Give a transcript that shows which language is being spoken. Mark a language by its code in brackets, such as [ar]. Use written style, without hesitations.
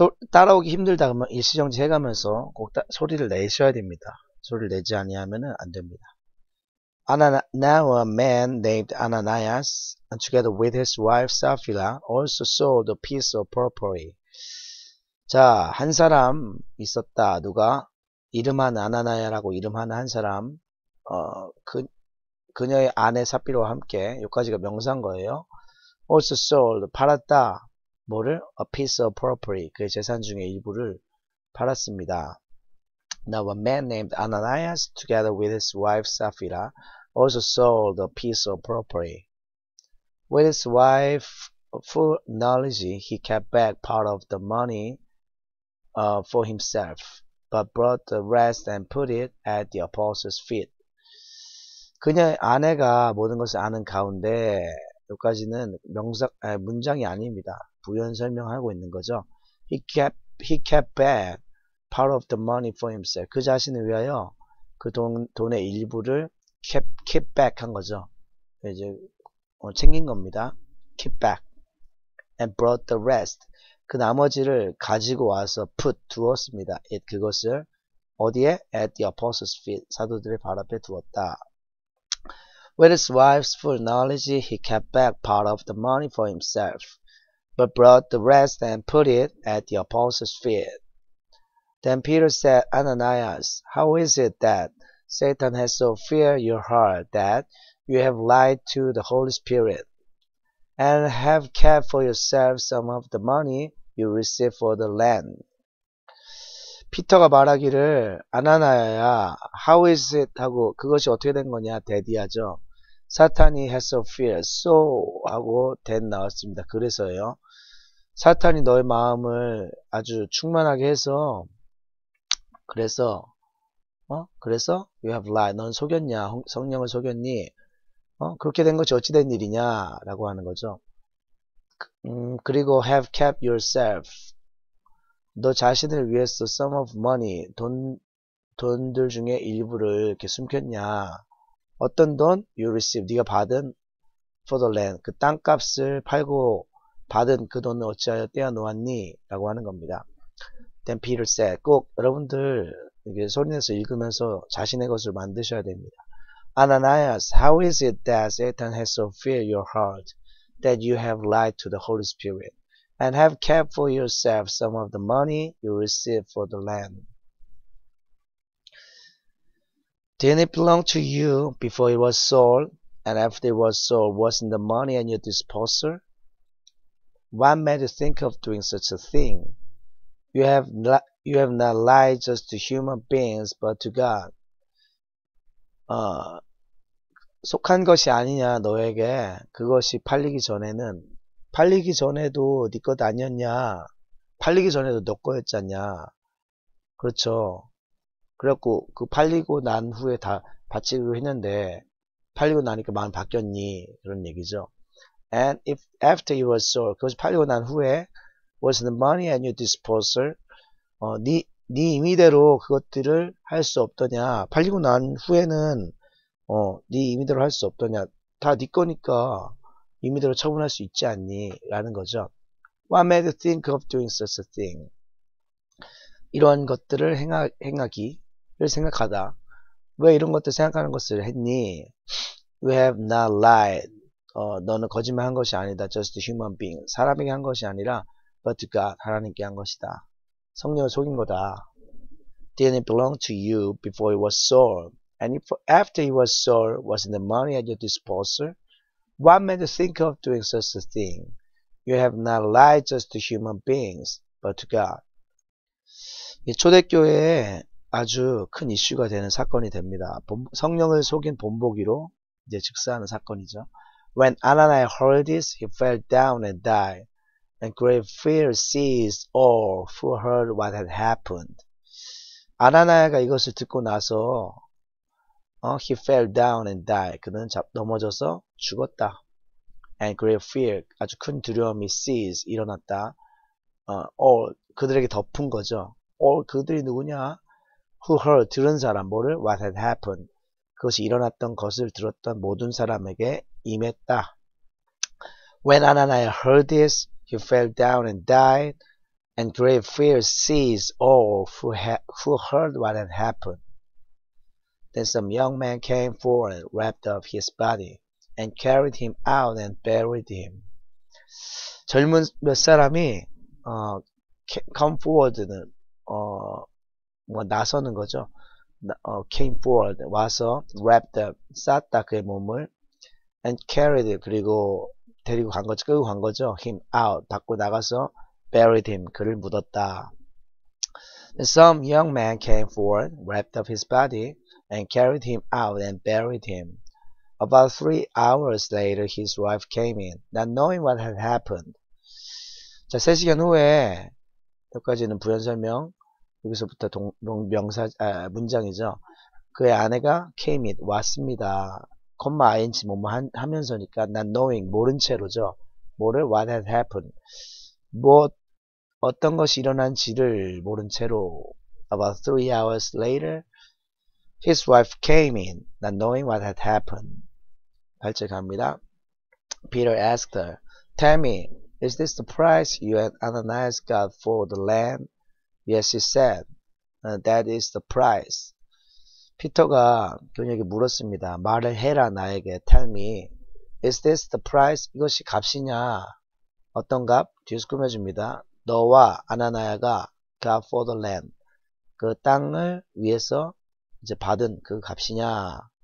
[ko] 따라오기 힘들다 그러면 일시정지 해가면서 꼭 소리를 내셔야 됩니다. 소리를 내지 아니하면 안 됩니다. [en] Now a man named Ananias, and together with his wife Sapphira, also sold a piece of property. [ko] 자, 한 사람 있었다. 누가? 이름한 아나나야라고 이름한 한 사람, 그녀의 아내 삽비로와 함께, 여기까지가 명사인 거예요. [en] Also sold, [ko] 팔았다. 뭐를? [en] A piece of property. [ko] 그의 재산 중에 일부를 팔았습니다. [en] Now a man named Ananias, together with his wife Sapphira, also sold a piece of property. With his wife's full knowledge, he kept back part of the money, for himself. But brought the rest and put it at the apostles' feet. [ko] 그녀의 아내가 모든 것을 아는 가운데, 여기까지는 문장이 아닙니다. 부연 설명하고 있는 거죠. [en] He kept back part of the money for himself. [ko] 그 자신을 위하여 그 돈의 일부를 [en] keep back [ko] 한 거죠. 이제 챙긴 겁니다. [en] Keep back. And brought the rest. [ko] 그 나머지를 가지고 와서 put 두었습니다. It 그것을 어디에? [en] At the apostles' feet [ko] 사도들의 발 앞에 두었다. [en] With his wife's full knowledge, he kept back part of the money for himself, but brought the rest and put it at the apostles' feet. Then Peter said, Ananias, how is it that Satan has so filled your heart that you have lied to the Holy Spirit and have kept for yourself some of the money you receive for the land. [ko] 피터가 말하기를, 아나나야, [en] how is it? [ko] 하고, 그것이 어떻게 된 거냐? 대디하죠. 사탄이 [en] has a fear, [ko] so 하고 then 나왔습니다. 그래서요. 사탄이 너의 마음을 아주 충만하게 해서, 그래서 [en] you have lied. [ko] 넌 속였냐? 성령을 속였니? 그렇게 된 것이 어찌 된 일이냐? 라고 하는 거죠. 그리고 [en] have kept yourself. [ko] 너 자신을 위해서 [en] some of money. [ko] 돈들 중에 일부를 이렇게 숨겼냐. [en] 어떤 돈? You receive. [ko] 네가 받은 [en] for the land. [ko] 그 땅값을 팔고 받은 그 돈을 어찌하여 떼어 놓았니? 라고 하는 겁니다. [en] Then Peter said. [ko] 꼭 여러분들 이게 소리내서 읽으면서 자신의 것을 만드셔야 됩니다. [en] Ananias, how is it that Satan has so filled your heart that you have lied to the Holy Spirit and have kept for yourself some of the money you received for the land. Didn't it belong to you before it was sold? And after it was sold, wasn't the money at your disposal? What made you think of doing such a thing? You have not lied just to human beings, but to God. [ko] 속한 것이 아니냐, 너에게. 그것이 팔리기 전에는. 팔리기 전에도 네것 아니었냐. 팔리기 전에도 너 거였잖냐. 그렇죠. 그래갖고, 그 팔리고 난 후에 다 바치기로 했는데, 팔리고 나니까 마음 바뀌었니. 그런 얘기죠. [en] And if after it was sold, [ko] 그것이 팔리고 난 후에, [en] was the money at your disposal? [ko] 네 임의대로 그것들을 할수 없더냐. 팔리고 난 후에는, 네 임의대로 할수 없더냐. 다네 거니까 임의대로 처분할 수 있지 않니? 라는 거죠. [en] What made you think of doing such a thing? [ko] 이런 것들을 행하기를 생각하다. 왜 이런 것들 생각하는 것을 했니? [en] You have not lied. [ko] 너는 거짓말 한 것이 아니다. [en] Just human being. [ko] 사람에게 한 것이 아니라, [en] but to God. [ko] 하나님께 한 것이다. 성령을 속인 거다. [en] Didn't it belong to you before it was sold? And after it was sold, wasn't the money at your disposal? What made you think of doing such a thing? You have not lied just to human beings, but to God. [ko] 초대교회에 아주 큰 이슈가 되는 사건이 됩니다. 성령을 속인 본보기로 이제 즉사하는 사건이죠. [en] When Ananias heard this, he fell down and died. And great fear seized all who heard what had happened. [ko] 아나니아가 이것을 듣고 나서 [en] he fell down and died. [ko] 그는 넘어져서 죽었다. [en] And great fear, [ko] 아주 큰 두려움이 seized, 일어났다. All, 그들에게 덮은 거죠. All, 그들이 누구냐? [en] Who heard, [ko] 들은 사람, 뭐를? [en] What had happened. [ko] 그것이 일어났던 것을 들었던 모든 사람에게 임했다. [en] When Ananias heard this, he fell down and died, and great fear seized all who heard what had happened. Then some young man came forward, wrapped up his body, and carried him out and buried him. [ko] 젊은 몇 사람이, [en] come forward [ko] 는, 뭐, 나서는 거죠. [en] came forward, [ko] 와서, [en] wrapped up, [ko] 쌌다, 그의 몸을. [en] and carried, [ko] 그리고, 데리고 간 거죠. 끌고 간 거죠. [en] him out, [ko] 밖으로 나가서, [en] buried him, [ko] 그를 묻었다. [en] And some young man came forward, wrapped up his body, and carried him out and buried him. About 3 hours later, his wife came in, not knowing what had happened. [ko] 자, 3시간 후에, 여기까지는 부연 설명. 여기서부터 문장이죠. 그의 아내가 [en] came in, [ko] 왔습니다. 콤마 ing 뭐뭐 하면서니까 [en] not knowing [ko] 모른 채로죠. [en] 뭐를 what had happened. [ko] 뭐 어떤 것이 일어난지를 모른 채로 [en] about 3 hours later his wife came in not knowing what had happened. [ko] 발제 갑니다. [en] Peter asked her, "Tell me, is this the price you and Ananias got for the land?" Yes, he said, "That is the price." [ko] 피터가 그녀에게 물었습니다. 말을 해라, 나에게. [en] Tell me. Is this the price? [ko] 이것이 값이냐? 어떤 값? 뒤스꿈 해줍니다. 너와 아나나야가 [en] God for the land. [ko] 그 땅을 위해서 이제 받은 그 값이냐?